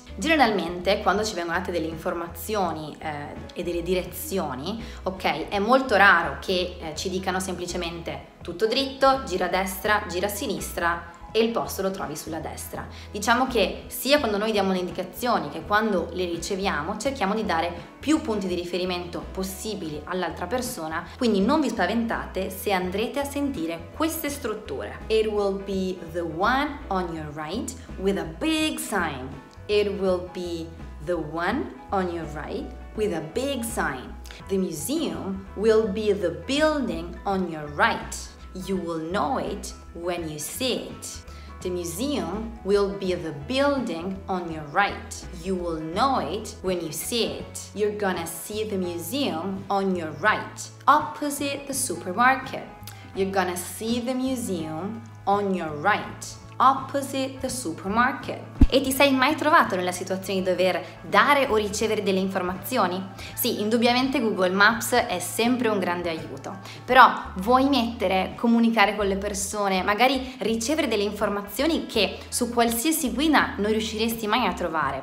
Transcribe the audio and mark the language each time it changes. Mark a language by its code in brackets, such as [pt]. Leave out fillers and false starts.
[it] Generalmente, quando ci vengono date delle informazioni e delle direzioni, ok, è molto raro che ci dicano semplicemente tutto dritto, gira a destra, gira a sinistra e il posto lo trovi sulla destra. Diciamo che sia quando noi diamo le indicazioni che quando le riceviamo cerchiamo di dare più punti di riferimento possibili all'altra persona, quindi non vi spaventate se andrete a sentire queste strutture. [en] It will be the one on your right with a big sign. It will be the one on your right with a big sign. The museum will be the building on your right. You will know it when you see it. The museum will be the building on your right. You will know it when you see it. You're gonna see the museum on your right, opposite the supermarket. You're gonna see the museum on your right, opposite the supermarket. [it] E ti sei mai trovato nella situazione di dover dare o ricevere delle informazioni? Sì, indubbiamente Google Maps è sempre un grande aiuto. Però vuoi mettere, comunicare con le persone, magari ricevere delle informazioni che su qualsiasi guida non riusciresti mai a trovare?